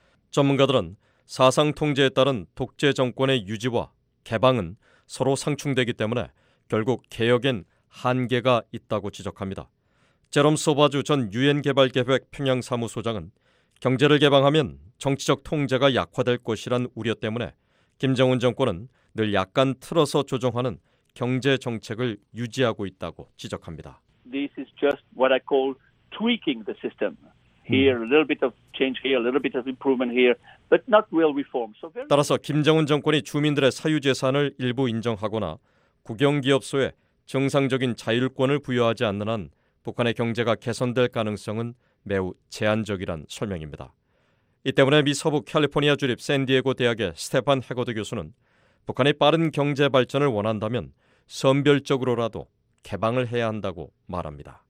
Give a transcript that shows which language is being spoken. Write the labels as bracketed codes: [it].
[ko] 전문가들은 사상 통제에 따른 독재 정권의 유지와 개방은 서로 상충되기 때문에 결국 개혁엔 한계가 있다고 지적합니다. 제롬 소바주 전 유엔 개발계획 평양 사무소장은 경제를 개방하면 정치적 통제가 약화될 것이란 우려 때문에 김정은 정권은 늘 약간 틀어서 조정하는 경제 정책을 유지하고 있다고 지적합니다. [en] This is just what I call tweaking the system. Here a little bit of change here, a little bit of improvement here, but not real reform. So [ko] 따라서 김정은 정권이 주민들의 사유 재산을 일부 인정하거나 국영 기업소에 정상적인 자율권을 부여하지 않는 한 북한의 경제가 개선될 가능성은 매우 제한적이란 설명입니다. 이 때문에 미 서부 캘리포니아 주립 샌디에고 대학의 스테판 해거드 교수는 북한이 빠른 경제 발전을 원한다면 선별적으로라도 개방을 해야 한다고 말합니다.